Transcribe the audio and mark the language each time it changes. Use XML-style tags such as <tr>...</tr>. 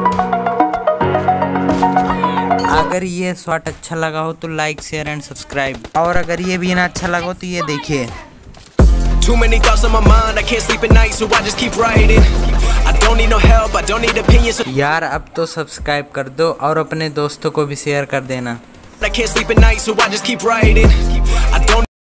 <hi>अगर ये शॉट अच्छा लगा हो तो</hi> <en>like share and subscribe,</en> <hi>और अगर ये भी ना अच्छा लगा हो तो ये देखिए।</hi> <en>Too many thoughts on my mind, I can't sleep at night, so I just keep writing. I don't need no help, I don't need opinions.</en> <hi>यार अब तो सब्सक्राइब कर दो और अपने दोस्तों को भी शेयर कर देना।</hi> <en>I can't sleep at night, so I just keep writing.</en>